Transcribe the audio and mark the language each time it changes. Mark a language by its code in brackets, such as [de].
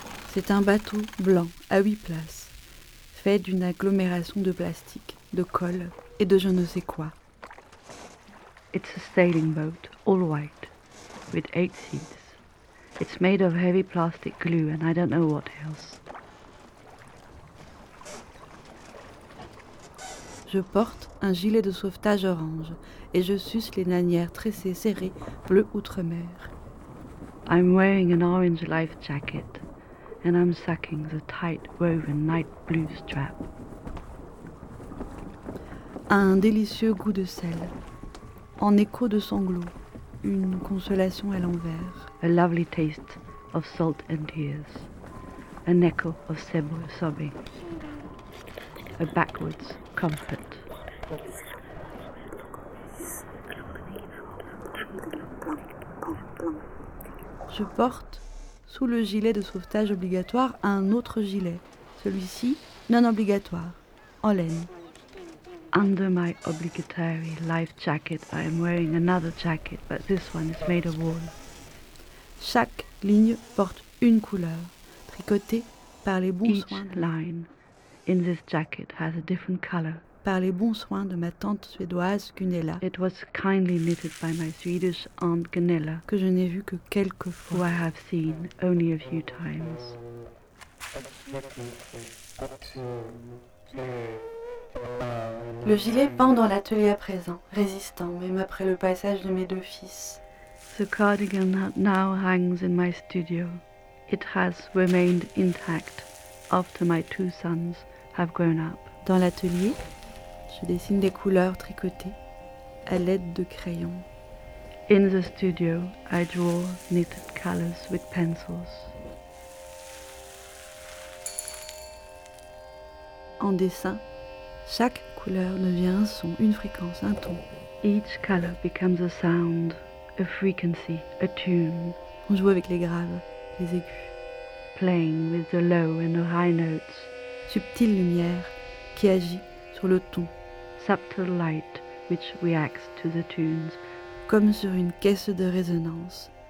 [fr] C'est un bateau blanc, à 8 places, fait d'une agglomération de plastique, de colle et de je ne sais quoi. [en] It's a sailing boat, all white, with 8 seats. It's made of heavy plastic glue and I don't know what else. [fr] Je porte un gilet de sauvetage orange et je suce les nanières tressées serrées bleu outre-mer. [en] I'm wearing an orange life jacket and I'm sucking the tight woven night blue strap. [fr] Un délicieux goût de sel. En écho de sanglots, une consolation à l'envers. [en] A lovely taste of salt and tears. An echo of sable sobbing. A backwards comfort. [fr] Je porte, sous le gilet de sauvetage obligatoire, un autre gilet. Celui-ci, non obligatoire, en laine. [en] Under my obligatory life jacket, I am wearing another jacket, but this one is made of wool. [fr] Chaque ligne porte une couleur, tricotée par les bons soins. [en] Each line in this jacket has a different color. [fr] Par les bons soins de ma tante suédoise Gunella. [en] It was kindly knitted by my Swedish aunt Gunella. [fr] Que je n'ai vu que quelques fois. [en] Who I have seen only a few times. [fr] Le gilet pend dans l'atelier à présent, résistant, même après le passage de mes deux fils. [en] The cardigan now hangs in my studio. It has remained intact after my two sons have grown up. [fr] Dans l'atelier, je dessine des couleurs tricotées à l'aide de crayons. [en] In the studio, I draw knitted colors with pencils. [fr] En dessin, chaque couleur devient un son, une fréquence, un ton. [en] Each color becomes a sound, a frequency, a tune. [fr] On joue avec les graves, les aigus. [en] Playing with the low and the high notes. [fr] Subtile lumière qui agit sur le ton. [en] Subtle light which reacts to the tunes. [fr] Comme sur une caisse de résonance.